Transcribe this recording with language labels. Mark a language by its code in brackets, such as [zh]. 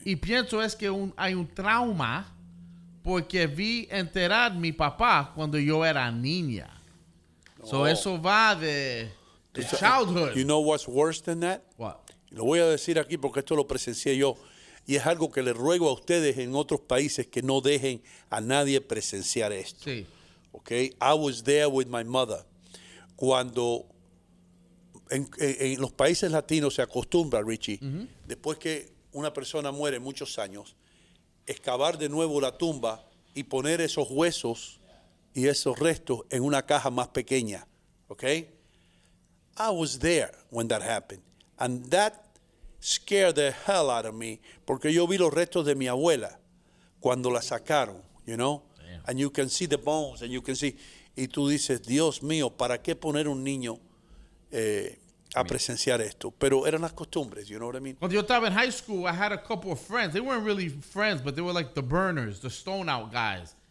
[es] Y pienso es que hay un trauma, porque vi enterrar a mi papá cuando yo era niña. So eso va de childhood. [en] You know what's worse than that? What? [es] Lo voy a decir aquí porque esto lo presencié yo. Y es algo que le ruego a ustedes en otros países que no dejen a nadie presenciar esto. Sí. [en] Okay? I was there with my mother. Cuando [es] en los países latinos se acostumbra, Richie, después que una persona muere muchos años, excavar de nuevo la tumba y poner esos huesos y esos restos en una caja más pequeña. [en] Okay? I was there when that happened. And that scared the hell out of me, [es] porque yo vi los restos de mi abuela cuando la sacaron, [en] you know? Damn. And you can see the bones, and you can see. [es] Y tú dices, Dios mío, ¿para qué poner un niño a presenciar esto? Pero eran las costumbres, [en] you know what I mean? [es] Cuando yo estaba en [en] high school, I had a couple of friends. They weren't really friends, but they were like the burners, the stone out guys.